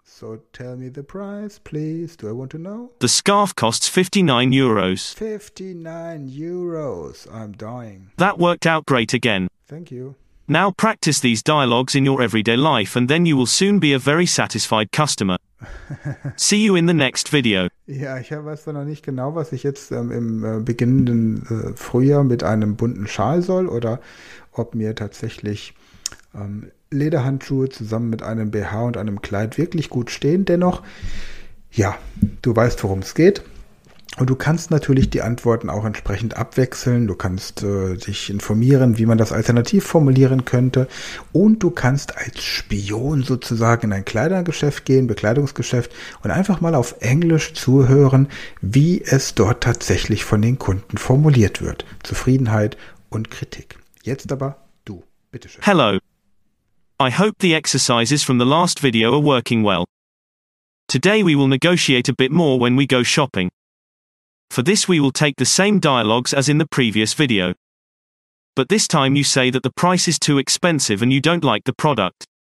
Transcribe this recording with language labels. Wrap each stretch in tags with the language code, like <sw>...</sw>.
<en>So tell me the price, please. Do I want to know? The scarf costs 59 euros. 59 euros. I'm dying. That worked out great again. Thank you. Now practice these dialogues in your everyday life and then you will soon be a very satisfied customer. See you in the next video.</en> <de>Ja, ich weiß noch nicht genau, was ich jetzt im beginnenden Frühjahr mit einem bunten Schal soll oder ob mir tatsächlich Lederhandschuhe zusammen mit einem BH und einem Kleid wirklich gut stehen. Dennoch, ja, du weißt, worum es geht. Und du kannst natürlich die Antworten auch entsprechend abwechseln. Du kannst dich informieren, wie man das alternativ formulieren könnte. Und du kannst als Spion sozusagen in ein Kleidergeschäft gehen, Bekleidungsgeschäft, und einfach mal auf Englisch zuhören, wie es dort tatsächlich von den Kunden formuliert wird. Zufriedenheit und Kritik. Jetzt aber du. Bitteschön.</de> <en>Hello. I hope the exercises from the last video are working well. Today we will negotiate a bit more when we go shopping. For this we will take the same dialogues as in the previous video. But this time you say that the price is too expensive and you don't like the product.</en>